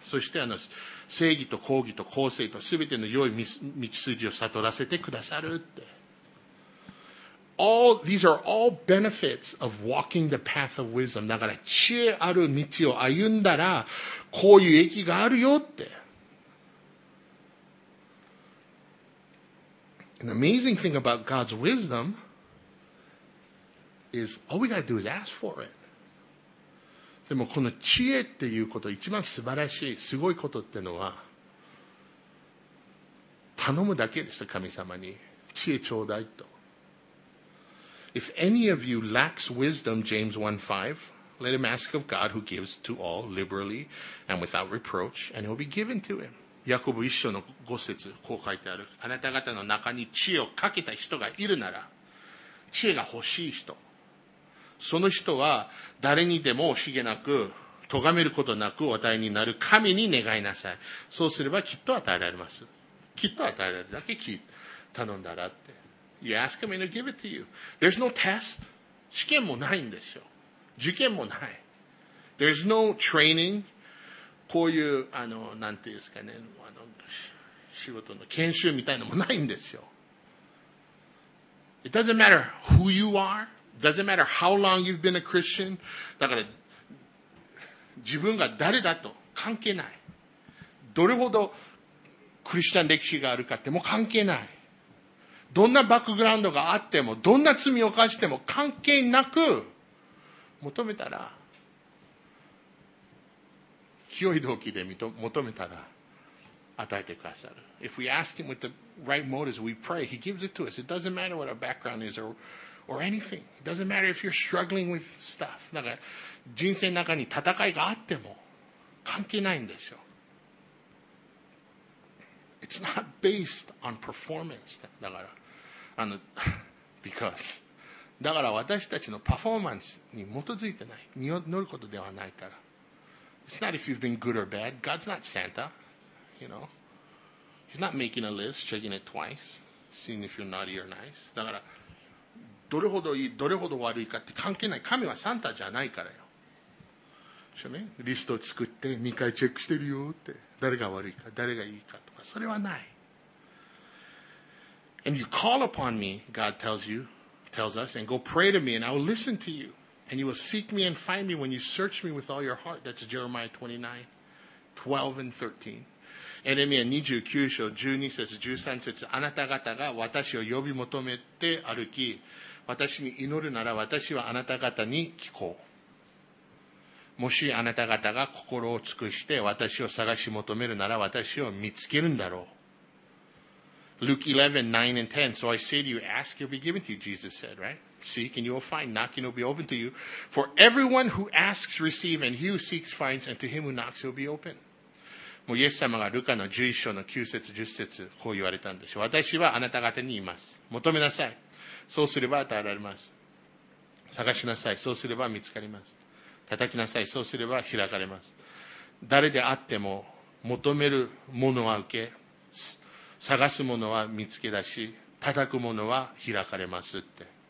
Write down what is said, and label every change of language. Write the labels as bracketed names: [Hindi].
[Japanese] そしてあの正義と公義と公正とすべての良い道筋を悟らせてくださるって。 [English] All these are all benefits of walking the path of wisdom. [Japanese] だから知恵ある道を歩んだらこういう益があるよって。 [English] An amazing thing about God's wisdom is all we got to do is ask for it. [Japanese] でもこの知恵っていうこと、一番素晴らしい、すごいことってのは、頼むだけでした、神様に。知恵ちょうだいと。 [English] If any of you lacks wisdom, James 1:5, let him ask of God who gives to all liberally and without reproach, and it will be given to him. [Japanese] ヤコブ一章の五節こう書いてある。あなた方の中に知恵をかけた人がいるなら、知恵が欲しい人、その人は誰にでも惜しげなく咎めることなくお与えになる神に願いなさい。そうすればきっと与えられます。きっと与えられるだけ頼んだらって。 [English] You ask him and he'll give it to you. There's no test. [Japanese] 試験もないんですよ。受験もない。 [English] There's no training. [Japanese] こういう、なんていうんですかね、仕事の研修みたいのもないんですよ。 [English] It doesn't matter who you are. Doesn't matter how long you've been a Christian. [Japanese] だから、自分が誰だと関係ない。どれほどクリスチャン歴史があるかっても関係ない。どんなバックグラウンドがあっても、どんな罪を犯しても関係なく、求めたら、清い動機で求めたら、与えてくださる。 [English] If we ask him with the right motives, we pray, he gives it to us. It doesn't matter what our background is or anything. It doesn't matter if you're struggling with stuff. [Japanese] なんか人生の中に戦いがあっても関係ないんでしょ。 [English] It's not based on performance. [Japanese] だから、 [English] because. [Japanese] だから私たちのパフォーマンスに基づいてない。身を乗ることではないから。 [English] It's not if you've been good or bad. God's not Santa. You know? He's not making a list, checking it twice, seeing if you're naughty or nice. [Japanese] だから、どれほどいい、どれほど悪いかって関係ない。神はサンタじゃないからよ。しょね？リストを作って2回チェックしてるよって。誰が悪いか、誰がいいかとか、それはない。 [English] And you call upon me, God tells you, tells us, and go pray to me, and I will listen to you. And you will seek me and find me when you search me with all your heart. That's Jeremiah 29:12-13. [Japanese] エレミア29章12節13節。あなた方が私を呼び求めて歩き、私に祈るなら私はあなた方に聞こう。もしあなた方が心を尽くして私を探し求めるなら私を見つけるんだろう。 [English] Luke 11:9-10. So I say to you, ask, you'll be given to you, Jesus said, right? Seek and you will find. Knock and it will be open to you. For everyone who asks, receive. And he who seeks, finds. And to him who knocks, it will be open. [Japanese] もうイエス様がルカの11章の9節10節こう言われたんでしょう。私はあなた方に言います。求めなさい。そうすれば与えられます。探しなさい。そうすれば見つかります。叩きなさい。そうすれば開かれます。誰であっても求めるものは受け、探すものは見つけ出し、叩くものは開かれますって。